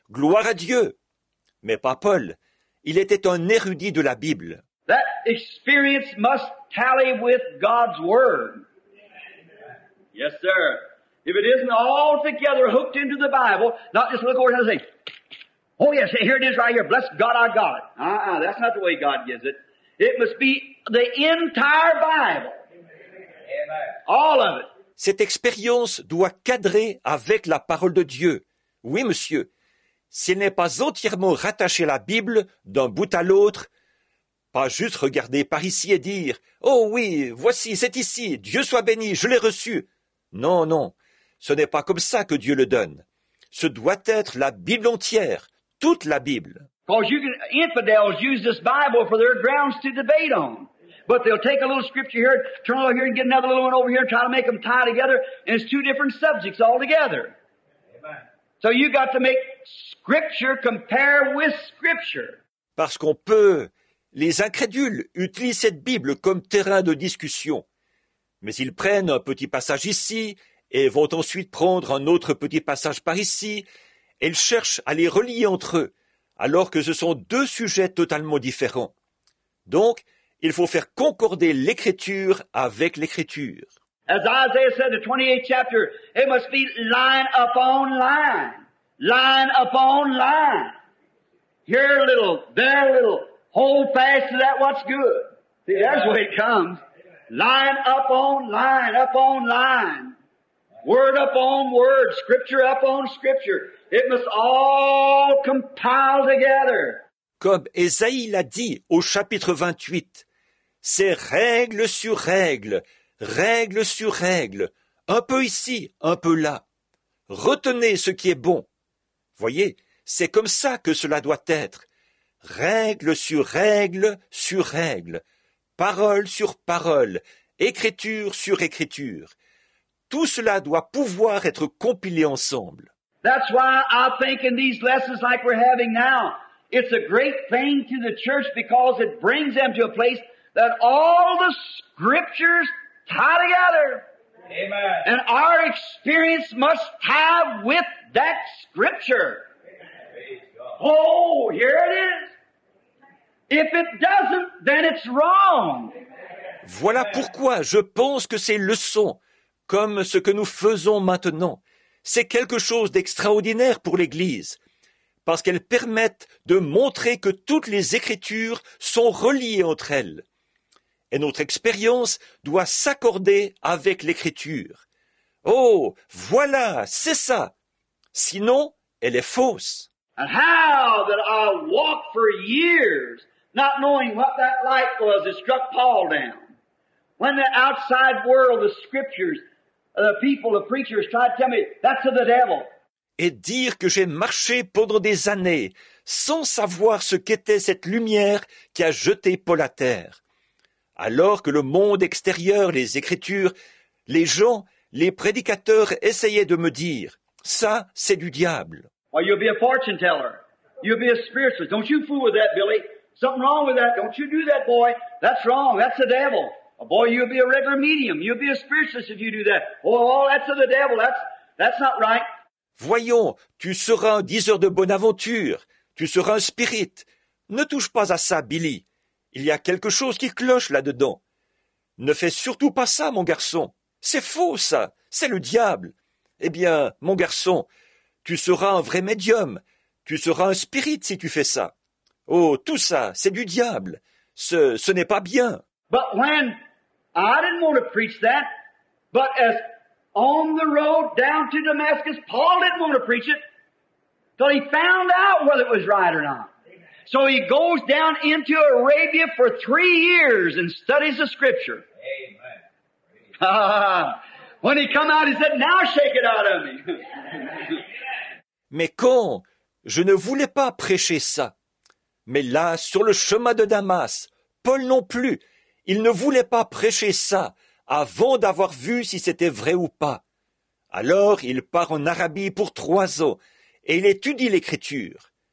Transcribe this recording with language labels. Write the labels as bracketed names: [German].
[French] Gloire à Dieu. » Mais pas Paul. Il était un érudit de la Bible. [English] That experience must tally with God's word. Yes, sir. If it isn't all together hooked into the Bible, not just look over and say, oh yes, here it is right here, bless God our God. That's not the way God gives it. It must be the entire Bible. Amen. All of it. [French] Cette expérience doit cadrer avec la parole de Dieu. Oui, monsieur. Si elle n'est pas entièrement rattachée à la Bible, d'un bout à l'autre, pas juste regarder par ici et dire, oh oui, voici, c'est ici, Dieu soit béni, je l'ai reçu. Non, non. Ce n'est pas comme ça que Dieu le donne. Ce doit être la Bible entière, toute la Bible. [English] Because you can, infidels use this Bible for their grounds to debate on. But they'll take a little scripture here, turn over here and get another little one over here and try to make them tie together, and it's two different subjects altogether. Amen. So you got to make scripture compare with scripture. [French] Parce qu'on peut, les incrédules utilisent cette Bible comme terrain de discussion. Mais ils prennent un petit passage ici, et vont ensuite prendre un autre petit passage par ici. Elles cherchent à les relier entre eux, alors que ce sont deux sujets totalement différents. Donc, il faut faire concorder l'Écriture avec l'Écriture. [English] As Isaiah said, the 28th chapter, it must be line upon line. Line upon line. Here a little, there a little. Hold fast to that what's good. See, that's the way it comes. Line upon line, upon line. Word upon word, scripture upon scripture. It must all compile together. [French] Comme Esaïe l'a dit au chapitre 28, c'est règle sur règle, règle sur règle, un peu ici, un peu là. Retenez ce qui est bon. Voyez, c'est comme ça que cela doit être. Règle sur règle sur règle, parole sur parole, écriture sur écriture. Tout cela doit pouvoir être compilé ensemble. [English] That's why I think in these lessons like we're having now, it's a great thing to the church because it brings them to a place that all the scriptures tie together. Amen. And our experience must tie with that scripture. Amen. Praise God. Oh, here it is. If it doesn't, then it's wrong. Amen. [French] Voilà pourquoi je pense que ces leçons comme ce que nous faisons maintenant, c'est quelque chose d'extraordinaire pour l'Église, parce qu'elles permettent de montrer que toutes les Écritures sont reliées entre elles. et notre expérience doit s'accorder avec l'Écriture. Oh, voilà, c'est ça. Sinon, elle est fausse. [English] And how that I walked for years, not knowing what that light was that struck Paul down. When the outside world, the scriptures, the people, the preachers tried to tell me, that's of the devil. [French] Et dire que j'ai marché pendant des années sans savoir ce qu'était cette lumière qui a jeté Paul à terre. Alors que le monde extérieur, les Écritures, les gens, les prédicateurs essayaient de me dire, ça, c'est du diable. [English] Well, you'll be a fortune teller. You'll be a spiritualist. Don't you fool with that, Billy. Something wrong with that. Don't you do that, boy. That's wrong. That's the devil. A boy, you'll be a regular medium. You'll be a spiritualist if you do that. Oh, that's of the devil. That's not right. [French] Voyons, tu seras un diseur de bonne aventure. Tu seras un spirit. Ne touche pas à ça, Billy. Il y a quelque chose qui cloche là-dedans. Ne fais surtout pas ça, mon garçon. C'est faux, ça. C'est le diable. Eh bien, mon garçon, tu seras un vrai médium. Tu seras un spirit si tu fais ça. Oh, tout ça, c'est du diable. Ce n'est pas bien. [English] But when I didn't want to preach that, but as on the road down to Damascus, Paul didn't want to preach it till he found out whether it was right or not. So he goes down into Arabia for 3 years and studies the scripture. Amen. When he come out, he said, now shake it out of me. [French] Mais quand, je ne voulais pas prêcher ça. Mais là, sur le chemin de Damas, Paul non plus, il ne voulait pas prêcher ça avant d'avoir vu si c'était vrai ou pas. Alors, il part en Arabie pour 3 ans et il étudie l'Écriture.